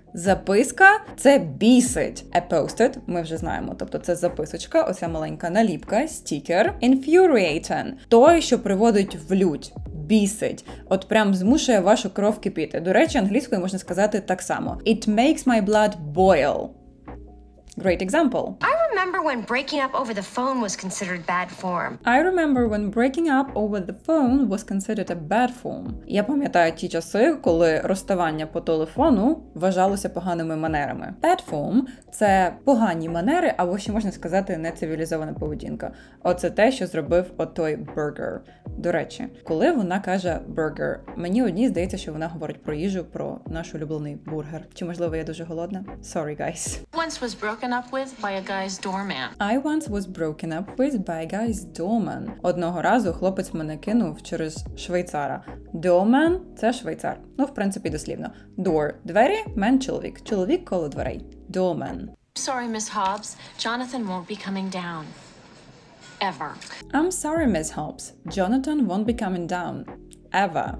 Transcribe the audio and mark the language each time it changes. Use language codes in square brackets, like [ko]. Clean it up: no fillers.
[uk] Записка – це бісить. A posted, ми вже знаємо, тобто це записочка, оця маленька наліпка, стікер. Infuriating – той, що приводить в лють, бісить. От прям змушує вашу кров кипіти. До речі, англійською можна сказати так само. [en] It makes my blood boil. Great example. I remember when breaking up over the phone was considered bad form. I remember when breaking up over the phone was considered a bad form. [uk] Я пам'ятаю ті часи, коли розставання по телефону вважалося поганими манерами. Bad form – це погані манери, або ще можна сказати нецивілізована поведінка. Оце те, що зробив отой бургер. До речі, коли вона каже бургер, мені одній здається, що вона говорить про їжу, про наш улюблений бургер. Чи можливо я дуже голодна? [en] Sorry, guys. Once was broken up with by a guy's doorman. I once was broken up with by a guy's doorman. [uk] Одного разу хлопець мене кинув через швейцара. Doorman – це швейцар. Ну, в принципі, дослівно. Door – двері, man – чоловік. Чоловік – коло дверей. Doorman. [en] Sorry, Miss Hobbs. Jonathan won't be coming down. Ever. I'm sorry, Miss Hobbs. Jonathan won't be coming down. Ever.